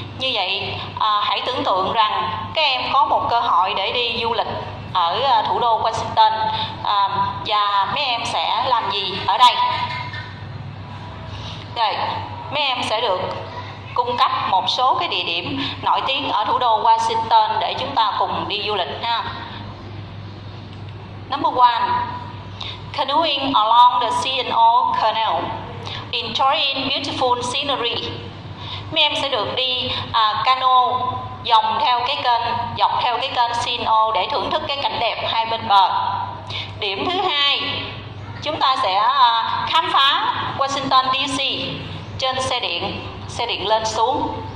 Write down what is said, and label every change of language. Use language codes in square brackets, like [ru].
[vi] Như vậy, hãy tưởng tượng rằng các em có một cơ hội để đi du lịch ở thủ đô Washington, và mấy em sẽ làm gì ở đây? Rồi, mấy em sẽ được cung cấp một số cái địa điểm nổi tiếng ở thủ đô Washington để chúng ta cùng đi du lịch ha. [en] Number 1, canoeing along the C&O Canal, enjoying beautiful scenery. [vi] Mấy em sẽ được đi cano dọc theo cái kênh C&O để thưởng thức cái cảnh đẹp hai bên bờ. Điểm thứ hai, chúng ta sẽ khám phá Washington DC trên xe điện lên xuống.